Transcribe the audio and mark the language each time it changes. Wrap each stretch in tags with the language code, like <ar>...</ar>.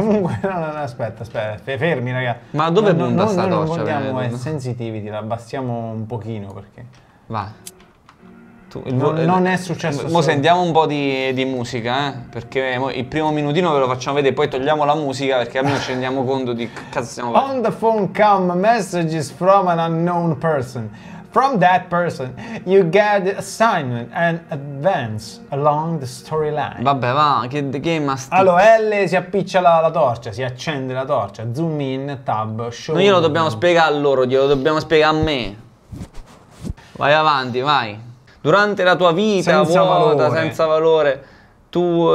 <it>Comunque, no, aspetta, fermi, ragazzi. Ma dove punta sta torcia? Non vogliamo sensitivity, la abbassiamo un pochino perché... Va. Non è successo. Mo sentiamo un po' di musica, perché il primo minutino ve lo facciamo vedere, poi togliamo la musica perché almeno ci rendiamo conto di che cazzo stiamo facendo.</it> <en>On the phone come messages from an unknown person. From that person you get assignment and advance along the storyline.</en> <it>Vabbè, va, che</it> <en>the game must.</en> <it>Allora, L si appiccia la torcia, si accende la torcia,</it> <en>zoom in, tab, show.</en> <it>Noi lo dobbiamo spiegare a loro, glielo dobbiamo spiegare a me. Vai avanti, vai. Durante la tua vita vuota, senza valore, tu</it>